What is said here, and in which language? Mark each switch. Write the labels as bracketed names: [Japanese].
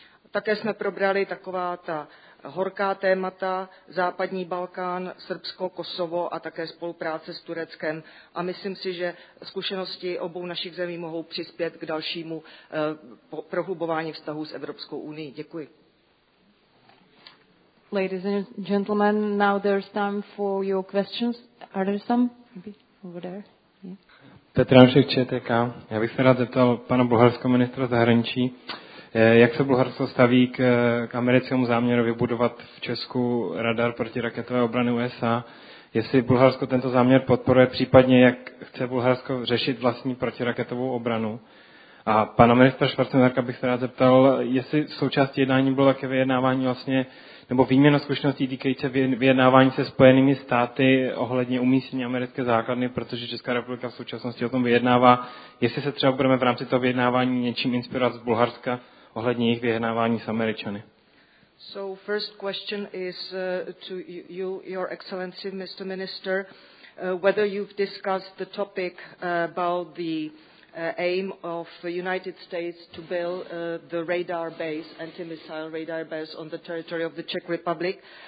[Czech] Také jsme probrali taková ta horká témata, západní Balkán, Srbsko, Kosovo a také spolupráce s Tureckem. A myslím si, že zkušenosti obou našich zemí mohou přispět k dalšímu prohlubování vztahů s Evropskou unií. Děkuji. [English] Ladies and gentlemen, now there's time for your questions. Are there some? Maybe over there. Yeah. Petr Hamšek, ČTK. [Czech] Já bych se rád zeptal pana bulharského ministra zahraničí, jak se Bulharsko staví k americkému záměru vybudovat v Česku radar protiraketové obrany USA, jestli Bulharsko tento záměr podporuje, případně jak chce Bulharsko řešit vlastní protiraketovou obranu. A pana ministra Schwarzenberga bych se rád zeptal, jestli součástí jednání bylo také vyjednávání vlastně, nebo výměna zkušeností týkající vyjednávání se Spojenými státy ohledně umístění americké základny, protože Česká republika v současnosti o tom vyjednává, jestli se třeba budeme v rámci toho vyjednávání něčím inspirovat z Bulharska ohledně jejich vyjednávání s Američany. [English] So first question is to you, your excellency, Mr. Minister, whether you've discussed the topic about the aim of the United States to build the radar base, anti-missile radar base on the territory of the Czech Republic,